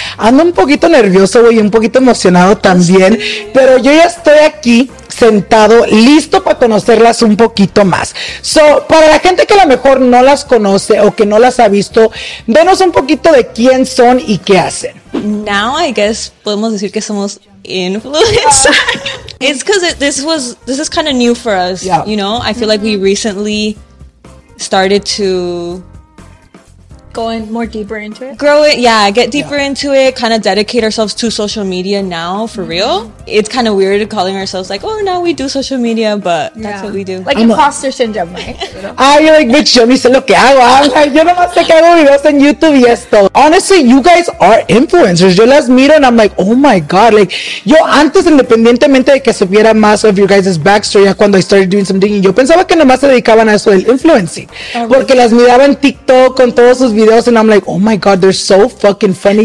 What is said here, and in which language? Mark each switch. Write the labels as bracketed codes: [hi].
[es] Ando un poquito nervioso, güey, un poquito emocionado también, pero yo ya estoy aquí, sentado, listo para conocerlas un poquito más. [en] So, [es] para la gente que a lo mejor no las conoce o que no las ha visto, denos un poquito de quién son y qué hacen. [en] Now, I guess, [es] podemos decir que somos influencers. [en] It's because this is kind of new for us, yeah. You know? I feel like we recently started to go in more deeper into it. Grow it, yeah, get deeper into it, kind of dedicate ourselves to social media now, for real. It's kind of weird calling ourselves like, oh, now we do social media, but that's what we do. Like imposter syndrome, right? Ah, you're like, bitch, [es] yo ni sé lo que hago. Yo no más sé que hago videos en YouTube y esto. [en] Honestly, you guys are influencers. [es] Yo las miro [en] and I'm like, oh my God. [es] Like, yo antes, independientemente de que supiera más [en] of your guys' backstory, [es] ya cuando [en] I started doing some digging, [es] yo pensaba que nomás se dedicaban a eso del influencing. Porque las miraba en TikTok con todos sus videos [en] and I'm like, oh my God, they're so fucking funny.